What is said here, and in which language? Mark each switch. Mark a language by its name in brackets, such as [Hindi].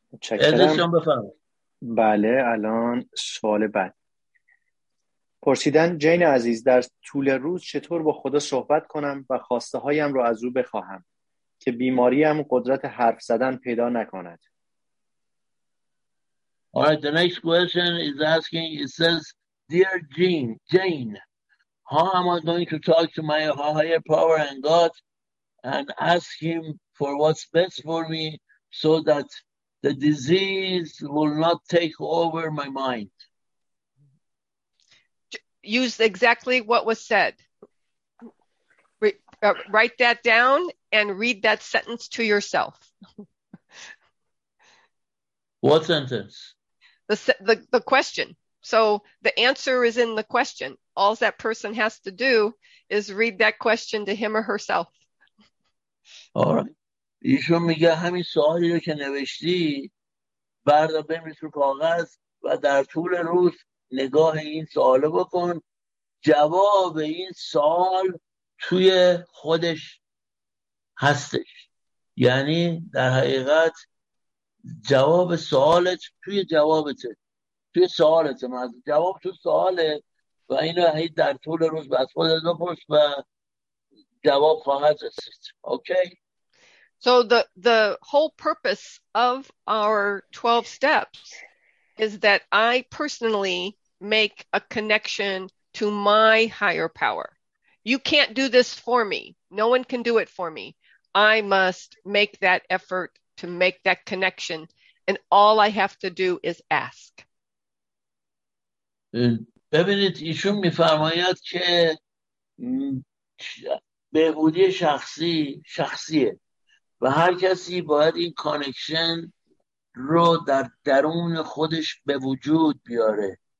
[Persian] ازشون بفرمایید. بله، الان سوال بعد. پرسیدن جین عزیز در طول روز چطور با خدا صحبت کنم و خواسته هایم رو از او بخواهم که بیماریم قدرت حرف زدن پیدا نکند؟ [English] All right, the next question is asking, it says, Dear Jane, how am I going to talk to my higher power and God and ask him for what's best for me so that the disease will not take over my mind? Use exactly what was said. Write that down and read that sentence to yourself. What sentence? The question. So the answer is in the question. All that person has to do is read that question to him or herself. All right. [Persian] ایشون میگه همین سوالی رو که نوشتی بردار بنویس رو کاغذ و در طول روز نگاه این سوال بکن، جواب این سوال توی خودش هستش، یعنی در حقیقت جواب سوالت توی جوابته، توی سوالته، جواب تو سواله و اینو هی در طول روز به خودت بپرس و جواب خواهد رسید. [English] Okay? So the whole purpose of our 12 steps is that I personally make a connection to my higher power. You can't do this for me. No one can do it for me. I must make that effort to make that connection. And all I have to do is ask. [Persian] ببینید ایشون میفرماید که بهبودی شخصی شخصیه و هر کسی باید این کانکشن رو در درون خودش به وجود بیاره.